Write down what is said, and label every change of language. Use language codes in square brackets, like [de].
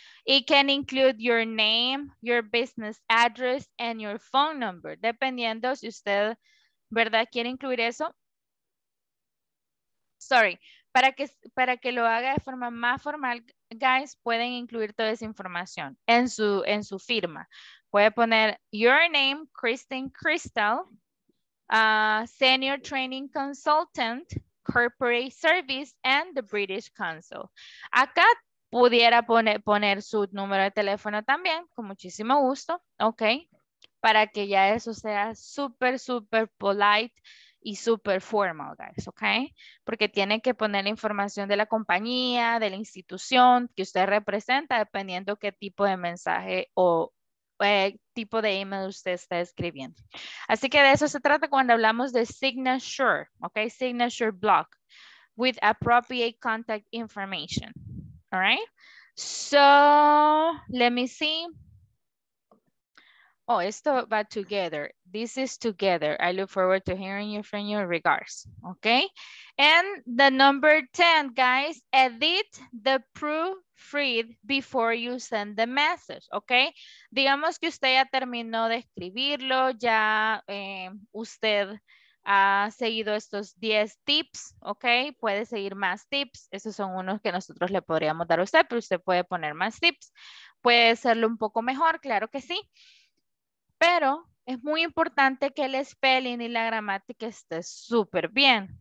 [en] It can include your name, your business address, and your phone number. [es] Dependiendo si usted, ¿verdad?, quiere incluir eso. Sorry, para que lo haga de forma más formal, guys, pueden incluir toda esa información en su firma. Puede poner [en] your name, [es] Kristen Crystal. [en] Senior Training Consultant, Corporate Service, and the British Council. [es] Acá pudiera poner su número de teléfono también, con muchísimo gusto, ¿ok? Para que ya eso sea súper, súper polite y súper formal, guys, ¿ok? Porque tiene que poner la información de la compañía, de la institución que usted representa, dependiendo qué tipo de mensaje o tipo de email usted está escribiendo. Así que de eso se trata cuando hablamos de signature, ok, [en] signature block with appropriate contact information. All right, so let me see. Oh, [es] esto va [en] together. This is together. I look forward to hearing you from your regards. Okay, and the number 10, guys, edit the proof read before you send the message, ok? [es] Digamos que usted ya terminó de escribirlo, ya usted ha seguido estos 10 tips, ok? Puede seguir más tips, esos son unos que nosotros le podríamos dar a usted, pero usted puede poner más tips, puede hacerlo un poco mejor, claro que sí, pero es muy importante que el spelling y la gramática esté súper bien.